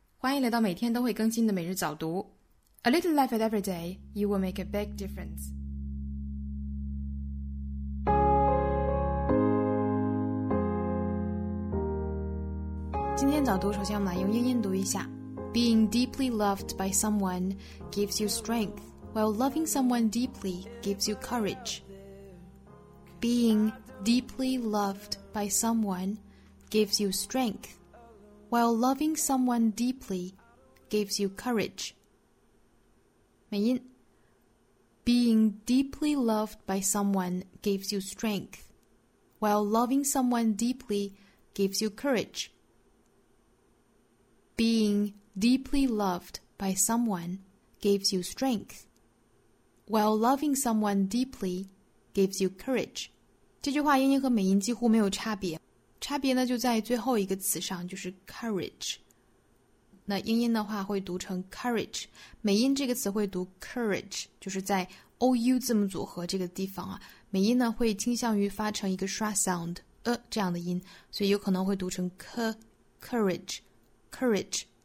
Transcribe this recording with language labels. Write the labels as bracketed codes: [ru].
[zh] 欢迎来到每天都会更新的每日早读。 [en] A little effort every day, you will make a big difference. [zh] 今天早读首先我们来用英音读一下。 [en] Being deeply loved by someone gives you strength, while loving someone deeply gives you courage. Being deeply loved by someone gives you strength. While loving someone deeply gives you courage. [zh] 美音 [en] Being deeply loved by someone gives you strength. While loving someone deeply gives you courage. Being deeply loved by someone gives you strength. While loving someone deeply gives you courage. [zh] 这句话英音和美音几乎没有差别。差别呢就在最后一个词上，就是 courage。那英音的话会读成 courage， 美音这个词会读 courage， 就是在 OU 字母组合这个地方啊，美音呢会倾向于发成一个 schwa sound、这样的音，所以有可能会读成 courage courage。